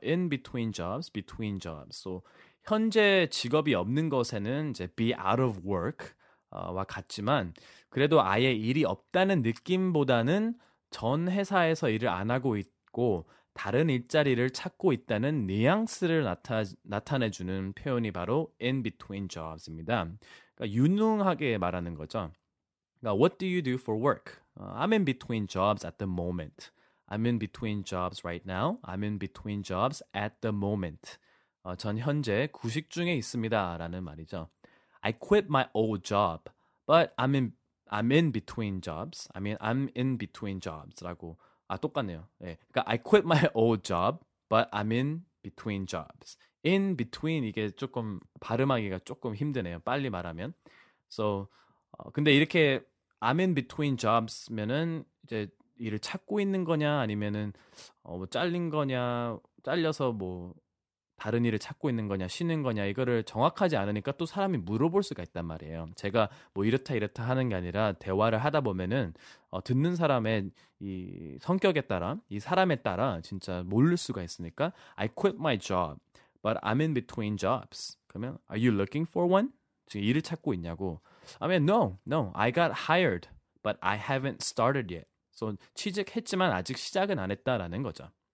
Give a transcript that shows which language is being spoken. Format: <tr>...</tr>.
<en>in between jobs, between jobs. So</en> <ko>현재 직업이 없는 것에는 이제</ko> <en>be out of work</en> <ko>와 같지만 그래도 아예 일이 없다는 느낌보다는 전 회사에서 일을 안 하고 있 다른 일자리를 찾고 있다는 뉘앙스를 나타내주는 표현이 바로</ko> <en>in between jobs</en> <ko>입니다. 그러니까 유능하게 말하는 거죠. 그러니까</ko> <en>What do you do for work? I'm in between jobs at the moment. I'm in between jobs right now. I'm in between jobs at the moment.</en> <ko>전 현재 구직 중에 있습니다. 라는 말이죠.</ko> <en>I quit my old job, but I'm in between jobs. I mean, I'm in between jobs.</en> <ko>라고. 아, 똑같네요. 예. 그러니까</ko> <en>I quit my old job, but I'm in between jobs. In between</en> <ko>이게 조금 발음하기가 조금 힘드네요. 빨리 말하면.</ko> <en>So,</en> <ko>근데 이렇게</ko> <en>I'm in between jobs</en> <ko>면은 이제 일을 찾고 있는 거냐 아니면은 뭐 잘린 거냐 잘려서 뭐 다른 일을 찾고 있는 거냐 쉬는 거냐 이거를 정확하지 않으니까 또 사람이 물어볼 수가 있단 말이에요. 제가 뭐 이렇다 이렇다 하는 게 아니라 대화를 하다 보면은 듣는 사람의 이 성격에 따라 이 사람에 따라 진짜 모를 수가 있으니까</ko> <en>I quit my job but I'm in between jobs.</en> <ko>그러면</ko> <en>Are you looking for one?</en> <ko>지금 일을 찾고 있냐고.</ko> <en>I mean no. I got hired but I haven't started yet. So,</en> <ko>취직했지만 아직 시작은 안 했다라는 거죠.</ko>